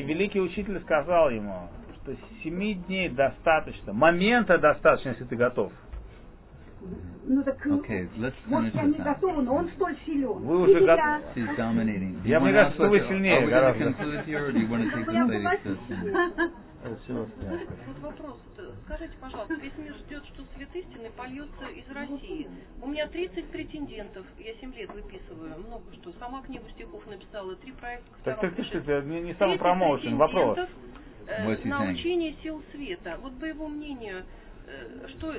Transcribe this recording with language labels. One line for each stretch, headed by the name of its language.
Russian: И великий учитель сказал ему, что 7 дней достаточно, момента достаточно, если ты готов.
English: Okay, let's finish this. Now. She's dominating.
Russian: Я мне кажется, вы сильнее.
English: Are we going to conclude here, or do you want to take the ladies to the
Russian: Вопрос. Скажите, пожалуйста, весь мир ждет, что свет истины польется из России. У меня 30 претендентов. Я 7 лет выписываю. Много что. Сама книгу стихов написала. 3 проекта. Так ты что, это не сам промоушен. Вопрос. На учение сил света. Вот по его мнению... Что,